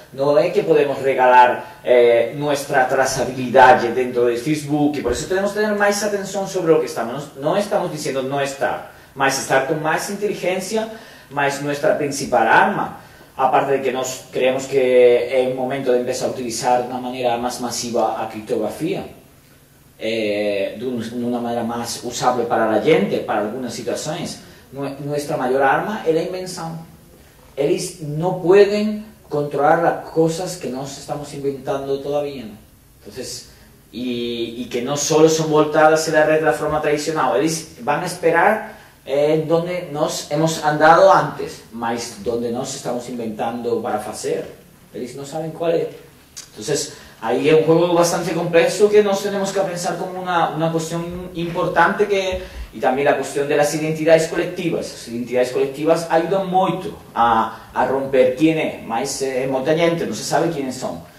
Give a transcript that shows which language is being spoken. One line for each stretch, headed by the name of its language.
Portuguese: Não é que podemos regalar nossa traçabilidade dentro de Facebook, e por isso temos que ter mais atenção sobre o que estamos. Não estamos dizendo não estar, mas estar com mais inteligência, mas nossa principal arma, a parte de que nós creemos que é o momento de começar a utilizar de uma maneira mais massiva a criptografia.
Spanish: De una manera más usable para la gente, para algunas situaciones. Nuestra mayor arma es la invención. Ellos no pueden controlar las cosas que nos estamos inventando todavía, ¿no? Entonces, y que no solo son voltadas en la red de la forma tradicional. Ellos van a esperar donde nos hemos andado antes, más donde nos estamos inventando para hacer. Ellos no saben cuál es.
Portuguese: Entonces, aí é um jogo bastante complexo que nós temos que pensar como uma questão importante que, e também a questão das identidades coletivas. As identidades coletivas ajudam muito a romper quem é, mas é muita gente, não se sabe quem são.